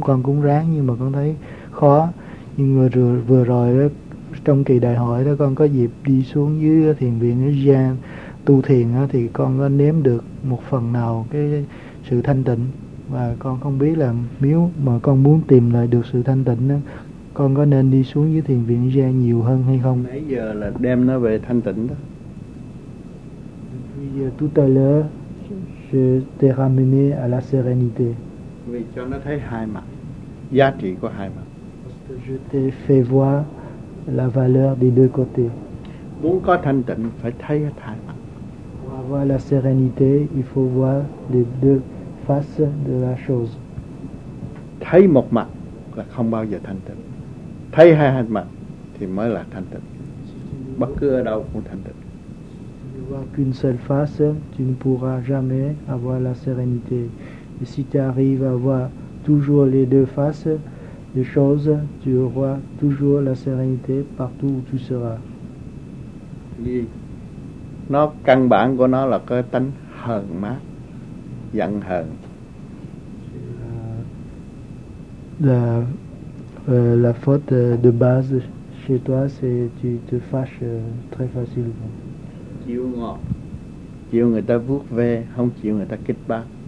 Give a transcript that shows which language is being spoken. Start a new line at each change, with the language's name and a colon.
Vietnamese: Con cũng ráng nhưng mà con thấy khó. Nhưng mà vừa rồi đó, trong kỳ đại hội đó, con có dịp đi xuống dưới thiền viện ở Giang tu thiền á, thì con có nếm được một phần nào cái sự thanh tịnh. Và con không biết là nếu mà con muốn tìm lại được sự thanh tịnh á, con có nên đi xuống dưới thiền viện ra nhiều hơn hay không? Mấy giờ là đem nó về thanh tịnh đó? Bây giờ
French: tout à l'heure, je t'ai ramené à la sérénité.
Vietnamese: Vì cho nó thấy hai mặt, giá trị của hai mặt.
French: Je t'ai fait voir la valeur des deux côtés.
Vietnamese: Muốn có thanh tịnh phải thấy hai mặt.
French: Pour avoir la sérénité, il faut voir les deux faces de la chose.
Vietnamese: Thấy một mặt là không bao giờ thanh tịnh. Thấy hai hành mặt thì mới là thanh tịnh. Bất cứ ở đâu cũng thanh tịnh.
French: Si tu ne vois qu'une seule face, tu ne pourras jamais avoir la sérénité. Et si tu arrives à voir toujours les deux faces des choses, tu auras toujours la sérénité partout où tu seras.
Vietnamese: Vì nó căn bản của nó là cái tánh hờn mát, giận hờn.
French: La faute de base chez toi, c'est que tu te fâches très facilement.
Vietnamese: Chiều ngọt, chiều người ta vuốt ve, không chiều người ta kích bác.